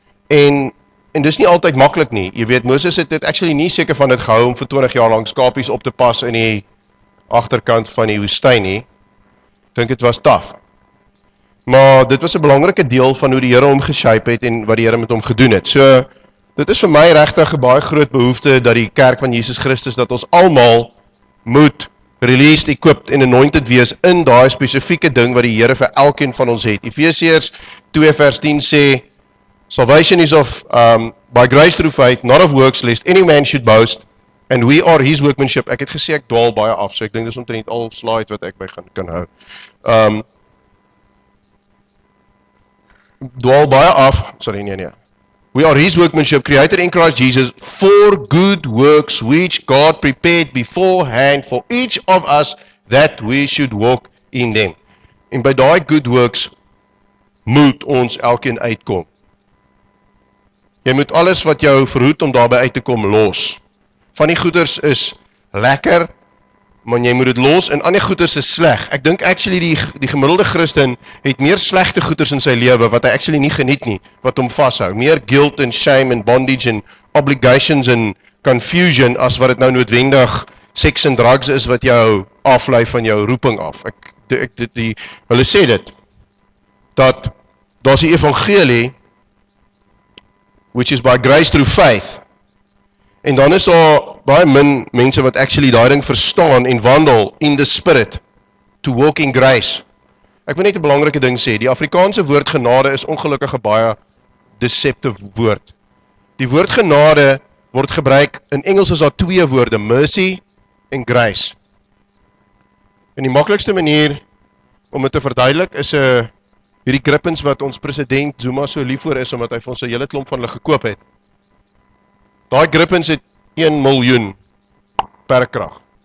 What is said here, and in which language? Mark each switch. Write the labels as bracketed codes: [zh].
[af] En dis nie altyd maklik nie, jy weet, Moses het dit actually nie seker van dit gehou om vir 20 jaar lang skapies op te pas in die agterkant van die woestyn nie, dink het was taf, maar dit was 'n belangrike deel van hoe die Here hom geshape het en wat die Here met hom gedoen het, so dit is vir my regtig 'n baie groot behoefte dat die kerk van Jesus Christus, dat ons almal moet released, equipped en anointed wees in die spesifieke ding wat die Here vir elkeen van ons het. Efesiërs 2 vers 10 sê, [en] salvation is of by grace through faith, not of works, lest any man should boast, and we are his workmanship. [af] Ek het gesê, ek dwaal baie af, so ek dink dis omtrent al slide wat ek by gaan kan hou. Dwaal baie af, sorry, nee. [en] We are his workmanship, created in Christ Jesus, for good works, which God prepared beforehand for each of us, that we should walk in them. [af] En by die good works, moet ons elkeen uitkom. Jy moet alles wat jou verhoed om daarby uit te kom los. Van die goeders is lekker, maar jy moet het los en ander goeders is sleg. Ek dink actually die gemiddelde Christen het meer slegte goeders in sy lewe wat hy actually nie geniet nie, wat hom vashou. Meer guilt en shame en bondage en obligations en confusion as wat het nou noodwendig seks en drugs is wat jou aflei van jou roeping af. Hulle sê dit, dat daar is die evangelie, [en] which is by grace through faith. [af] En dan is daar baie min mense wat actually daai ding verstaan en wandel [en] in the spirit, to walk in grace. [af] Ek wil net 'n belangrike ding sê, die Afrikaanse woord genade is ongelukkig 'n baie deceptive woord. Die woord genade word gebruik, in Engels is daar twee woorde, mercy en grace. En die maklikste manier om dit te verduidelik is hierdie grippens wat ons president Zuma so lief voor is, omdat hy vir ons 'n hele klomp van hulle gekoop het. Daai grippens het 1 miljoen per krag.